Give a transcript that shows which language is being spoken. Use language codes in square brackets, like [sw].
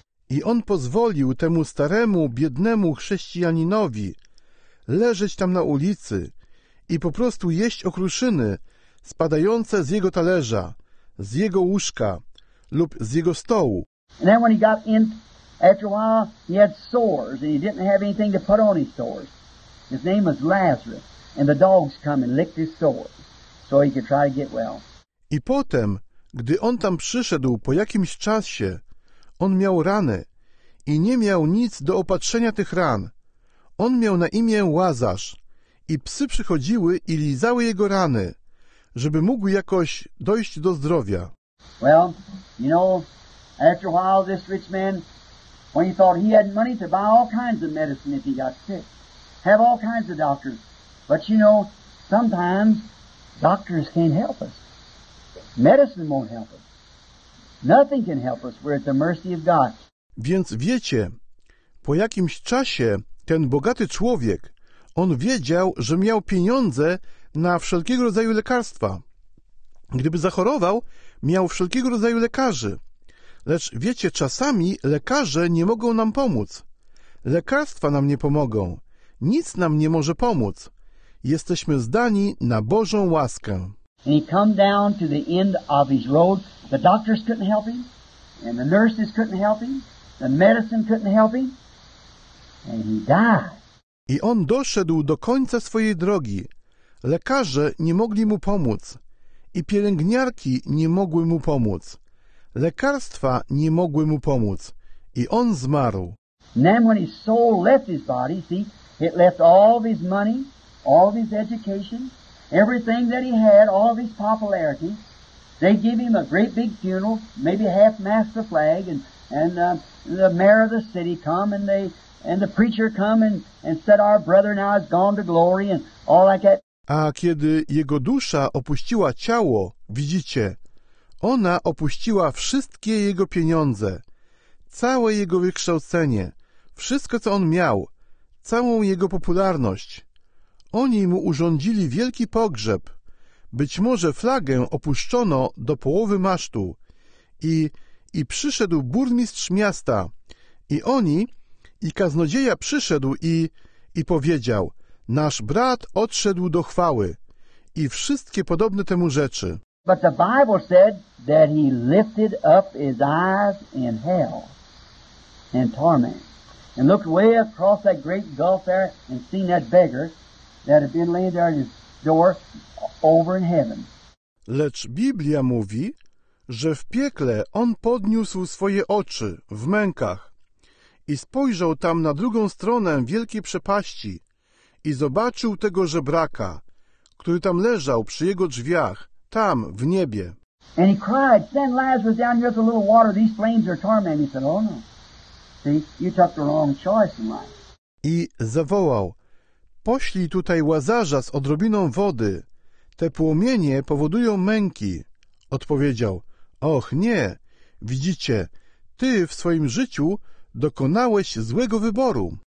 [pl] I on pozwolił temu staremu, biednemu chrześcijaninowi leżeć tam na ulicy i po prostu jeść okruszyny spadające z jego talerza, z jego łóżka lub z jego stołu. [en] And then when he got in, after a while, he had sores and he didn't have anything to put on his sores. His name was Lazarus and the dogs come and licked his sores so he could try to get well. [pl] I potem, gdy on tam przyszedł po jakimś czasie, on miał rany i nie miał nic do opatrzenia tych ran. On miał na imię Łazarz i psy przychodziły i lizały jego rany, żeby mógł jakoś dojść do zdrowia. [en] Well, you know, after a while this rich man, when he thought he had money to buy all kinds of medicine if he got sick, have all kinds of doctors. But you know, sometimes doctors can't help us. Medicine won't help us. Nothing can help us. We're at the mercy of God. [pl] Więc wiecie, po jakimś czasie ten bogaty człowiek, on wiedział, że miał pieniądze na wszelkiego rodzaju lekarstwa. Gdyby zachorował, miał wszelkiego rodzaju lekarzy. Lecz wiecie, czasami lekarze nie mogą nam pomóc. Lekarstwa nam nie pomogą. Nic nam nie może pomóc. Jesteśmy zdani na Bożą łaskę. [en] And he come down to the end of his road. The doctors couldn't help him, and the nurses couldn't help him, the medicine couldn't help him, and he died. [pl] I on doszedł do końca swojej drogi. Lekarze nie mogli mu pomóc, i pielęgniarki nie mogły mu pomóc. Lekarstwa nie mogły mu pomóc, i on zmarł. [en] And then when his soul left his body, see, it left all of his money, all of his education, everything that he had, all of his popularity. They give him a great big funeral, maybe half mast the flag, and the mayor of the city come, and the preacher come and said, our brother now has gone to glory, and all like that. [pl] A kiedy jego dusza opuściła ciało, widzicie, ona opuściła wszystkie jego pieniądze, całe jego wykształcenie, wszystko, co on miał, całą jego popularność. Oni mu urządzili wielki pogrzeb. Być może flagę opuszczono do połowy masztu i przyszedł burmistrz miasta i oni i kaznodzieja przyszedł i powiedział, nasz brat odszedł do chwały i wszystkie podobne temu rzeczy. [en] But the Bible said that he lifted up his eyes in hell and torment and looked way across that great gulf there and seen that beggar that had been laying there at his door over in heaven. [pl] Lecz Biblia mówi, że w piekle on podniósł swoje oczy w mękach i spojrzał tam na drugą stronę wielkiej przepaści i zobaczył tego żebraka, który tam leżał przy jego drzwiach, tam w niebie. [en] And he cried, "Send Lazarus down here with a little water. These flames are tormenting." He said, "Oh no, see, you took the wrong choice in life." [pl] I zawołał, "Poślij tutaj Łazarza z odrobiną wody. Te płomienie powodują męki." Odpowiedział, "Och nie, widzicie, ty w swoim życiu dokonałeś złego wyboru."